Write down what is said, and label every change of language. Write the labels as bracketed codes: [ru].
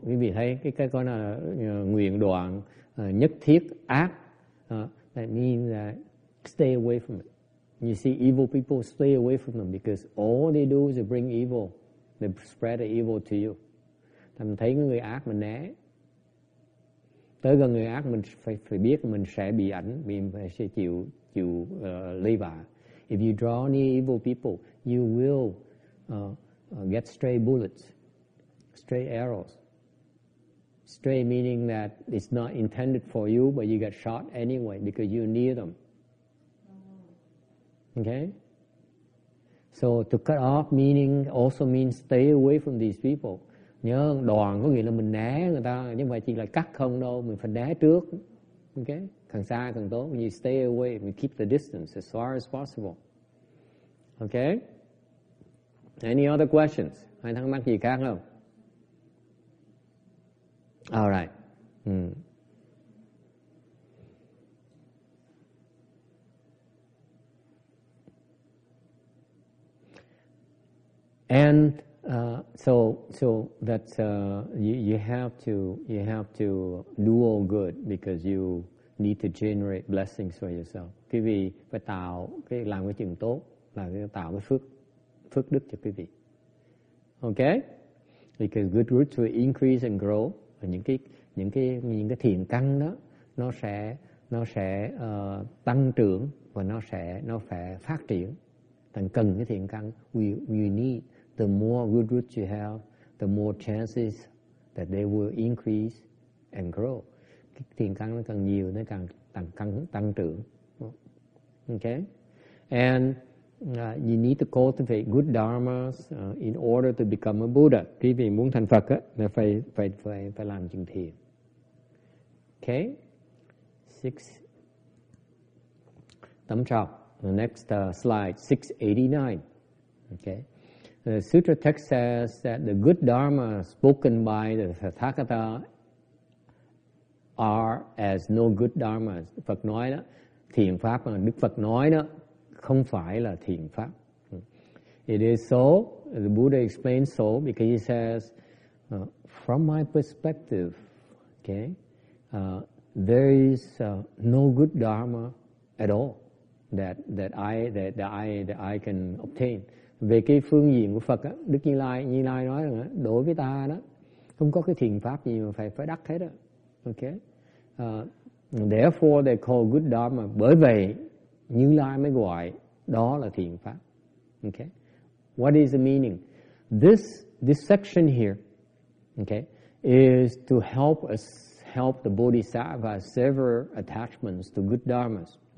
[vi] Quý vị thấy cái con là nguyện đoạn nhất thiết ác. [en] That means that stay away from it. You see, evil people stay away from them because all they do is they bring evil. They spread the evil to you. [vi] Thì mình thấy người ác mình né. Tới gần người ác mình phải biết mình sẽ bị ảnh, mình sẽ chịu lây vạ. [en] If you draw near evil people, you will get stray bullets, stray arrows. Stray meaning that it's not intended for you, but you get shot anyway because you're near them. Okay? So to cut off meaning also means stay away from these people. [vi] Nhớ đoạn có nghĩa là mình né người ta, nhưng mà chỉ là cắt không đâu, mình phải né trước. Okay? Càng xa càng tốt. [en] When you stay away, we keep the distance as far as possible. Okay? Any other questions? [vi] Hay thắc mắc gì khác không? [en] All right. And so that's you have to do all good because you need to generate blessings for yourself. [vi] Quý vị phải tạo cái làm cái chuyện tốt, là tạo cái phước đức cho quý vị. Okay? [en] Because good roots will increase and grow, [vi] và những cái thiện căn đó nó sẽ tăng trưởng và nó sẽ phát triển. Thành cần cái thiện căn, [en] we need. The more good roots you have, the more chances that they will increase and grow. [vi] Cái thiện căn nó càng nhiều, nó càng tăng trưởng. [en] Okay? And you need to cultivate good dharmas in order to become a Buddha. [vi] Quý vị muốn thành Phật, thì phải làm chuyện thiện. [en] Okay? Six. [vi] Tấm trọc. [en] The next slide, 689. Okay? The sutra text says that the good dharma spoken by the Tathagata are as no good dharma. [vi] Phật nói đó, thiện pháp mà Đức Phật nói đó, không phải là thiện pháp. [en] It is so, the Buddha explains so, because he says, from my perspective, okay, there is no good dharma at all that I can obtain. [vi] Về cái phương diện của Phật á, Đức Như Lai, Như Lai nói rằng á, đối với ta đó, không có cái thiện pháp gì mà phải đắc hết á. Okay? [en] Therefore they call good dharma. [vi] Bởi vậy, Như Lai mới gọi đó là thiện pháp. [en] Okay? What is the meaning? This section here, okay, is to help us help the bodhisattva sever attachments to good dharmas.